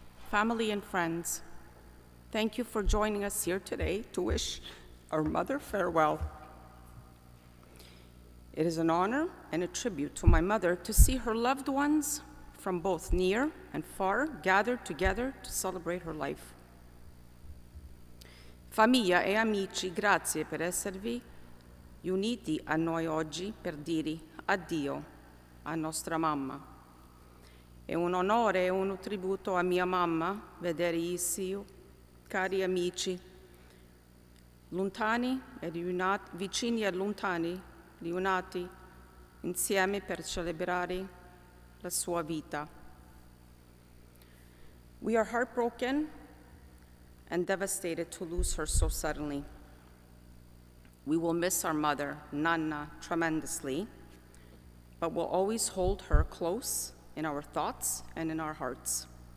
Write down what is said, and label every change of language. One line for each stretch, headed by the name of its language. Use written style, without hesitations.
English: Family and friends, thank you for joining us here today to wish our mother farewell. It is an honor and a tribute to my mother to see her loved ones from both near and far gathered together to celebrate her life.
Italian: Famiglia e amici, grazie per esservi uniti a noi oggi per dire addio a nostra mamma. È un onore e un tributo a mia mamma vedere ici, cari amici, lontani e riunati, vicini e lontani, riunati insieme per celebrare la sua vita.
English: We are heartbroken and devastated to lose her so suddenly. We will miss our mother, Nanna, tremendously, but we'll always hold her close in our thoughts and in our hearts.